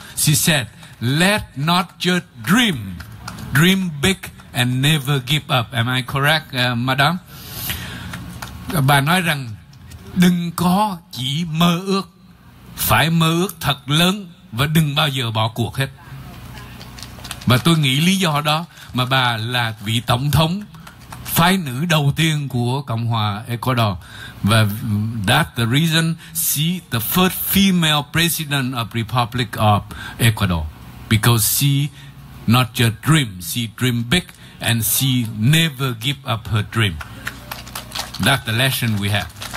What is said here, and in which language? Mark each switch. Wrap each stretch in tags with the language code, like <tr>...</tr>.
<en>She said, let not just dream big and never give up. Am I correct, madam?</en> <vi>Bà nói rằng đừng có chỉ mơ ước, phải mơ ước thật lớn và đừng bao giờ bỏ cuộc hết. Và tôi nghĩ lý do đó mà bà là vị tổng thống phái nữ đầu tiên của Cộng hòa Ecuador.</vi> <en>Và that's the reason she the first female president of Republic of Ecuador. Because she not just dream, she dream big and she never give up her dream. That's the lesson we have.</en>